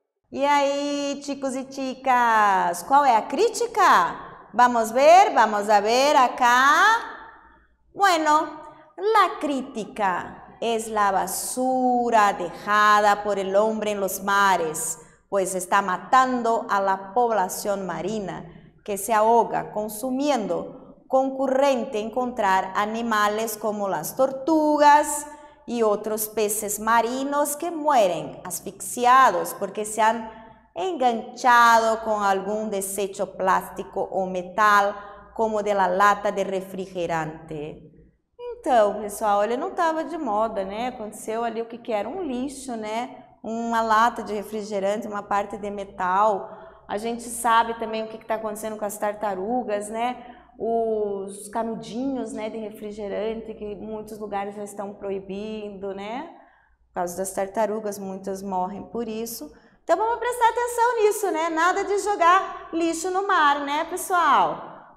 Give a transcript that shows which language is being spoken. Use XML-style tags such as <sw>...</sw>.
<pt>E aí,</pt> <es>chicos e chicas,</es> <pt>qual é a crítica?</pt> <es>Vamos a ver acá. Bueno, la crítica es la basura dejada por el hombre en los mares, pues está matando a la población marina que se ahoga consumiendo. Concurrente encontrar animales como las tortugas y otros peces marinos que mueren asfixiados porque se han enganchado con algún desecho plástico o metal como de la lata de refrigerante.</es> <pt>Entonces, pessoal, ele não estava de moda, né? Aconteceu ali o que que era?</pt> <es>Un</es> <pt>lixo, né?</pt> <es>Una lata de refrigerante, una parte de metal.</es> <pt>A gente sabe também o que está acontecendo com as tartarugas, né? Os canudinhos, né, de refrigerante, que muitos lugares já estão proibindo, né? Por causa das tartarugas, muitas morrem por isso. Então vamos prestar atenção nisso, né? Nada de jogar lixo no mar, né, pessoal?</pt>